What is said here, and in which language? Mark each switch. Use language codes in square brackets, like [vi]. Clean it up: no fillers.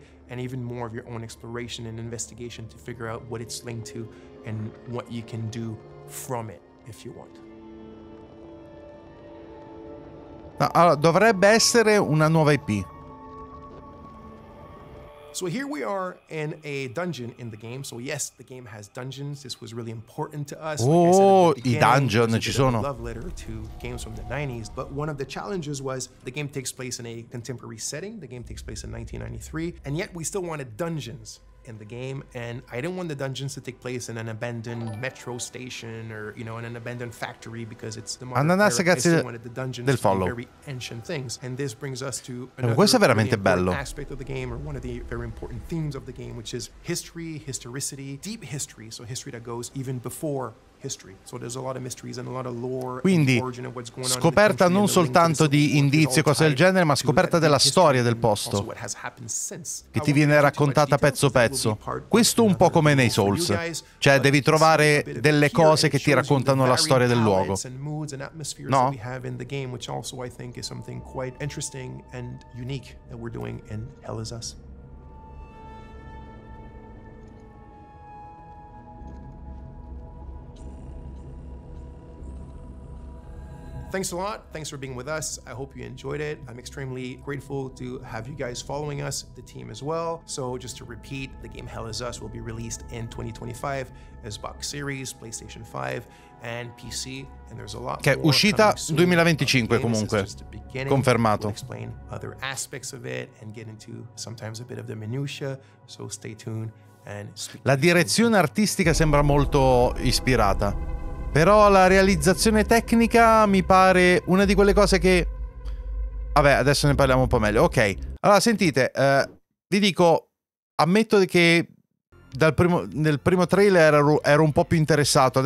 [en] And even more of your own exploration and investigation to figure out what it's linked to and what you can do from it if you want. [it] No, allora, dovrebbe essere una nuova IP. [en] So here we are in a dungeon in the game. So yes, the game has dungeons. This was really important to us. Oh, like I said, in the beginning, I was a bit of a love letter to games from the 90s. But one of the challenges was the game takes place in a contemporary setting. The game takes place in 1993. And yet we still wanted dungeons in the game. And I didn't want the dungeons to take place in an abandoned metro station or, you know, in an abandoned factory because it's the modern era. I still wanted the dungeons to be very ancient things. And this brings us to another very important [it] bello. [en] Aspect of the game, or one of the very important themes of the game, which is history, historicity, deep history. So history that goes even before history. So there's a lot of mysteries and a lot of lore. [it] Quindi, [en] and the origin of what's going on. [it] Scoperta non soltanto di indizi e cose del genere, ma scoperta della storia del posto che ti viene raccontata pezzo pezzo. Questo un po' come nei Souls, cioè devi trovare delle cose che ti raccontano la storia del luogo. No? [en] Which also I think is something quite interesting and unique that we're doing in Hell Is Us. Thanks a lot. Thanks for being with us. I hope you enjoyed it. I'm extremely grateful to have you guys following us, the team as well. So just to repeat, the game Hell Is Us will be released in 2025 as Xbox Series, PlayStation 5, and PC. And there's a lot [it] che more uscita 2025 comunque. Confermato. [en] We'll explain other aspects of it and get into sometimes a bit of the minutia. So stay tuned. [it] La direzione artistica sembra molto ispirata, però la realizzazione tecnica mi pare una di quelle cose che... Vabbè, adesso ne parliamo un po' meglio. Ok, allora sentite, vi dico, ammetto che nel primo trailer ero un po' più interessato.